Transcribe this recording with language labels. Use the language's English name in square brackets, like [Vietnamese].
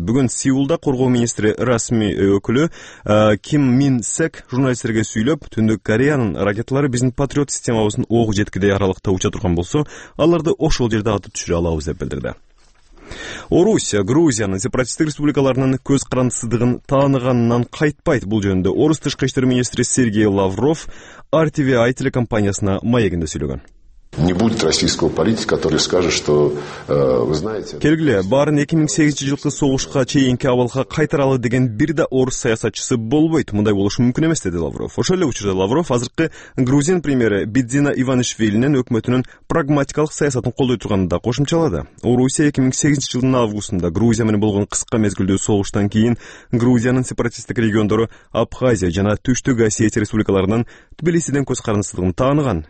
[Kyrgyz] Бүгүн Сеулда коргоо министри расмий өкүлү Ким Мин Сек журналисттерге сүйлөп, Түштүк Кореянын ракеталары биздин патриот системабыздын ок жеткидей аралыкта уча турган болсо, аларды ошол жерде атып түшүрө алабыз деп билдирди. Орусия Грузиянын сепаратисттик республикаларынын көз карандысыздыгын тааныганынан кайтпайт. Бул жөнүндө орус тышкы иштер министри Сергей Лавров RTV Ай телекомпаниясына маегинде сүйлөгөн. [Russian] Не будет российского политика, который скажет, что вы знаете. [Kyrgyz] Келгиле, баарын 2008 жылкы согушка чейинки абалга кайтаралы деген бир да орус саясатчысы болбойт. Мындай болушу мүмкүн эмес, деди Лавров. Ошол эле учурда Лавров азыркы грузин премьери Бидзина Иванишвилинин өкмөтүнүн прагматикалык саясатын колдой турганын да кошумчалады. Орусия 2008 жылдын августунда Грузия менен болгон кыска мезгилдүү согуштан кийин Грузиянын сепаратисттик региондору Абхазия жана Түштүк Осетия республикаларынын Тбилисиден көз карандысыздыгын тааныган.